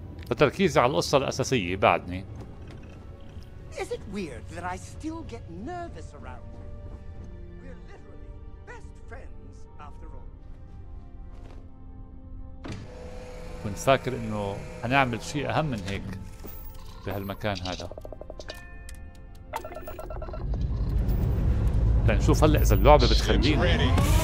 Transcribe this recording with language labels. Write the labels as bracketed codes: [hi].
[ar] التركيز على القصة الأساسية بعدني. [en] Is it weird that I still get nervous around you? We're literally best friends after all. [ar] كنت فاكر انه هنعمل شيء اهم من هيك بهالمكان هذا. لنشوف هلا اذا اللعبه بتخلينا.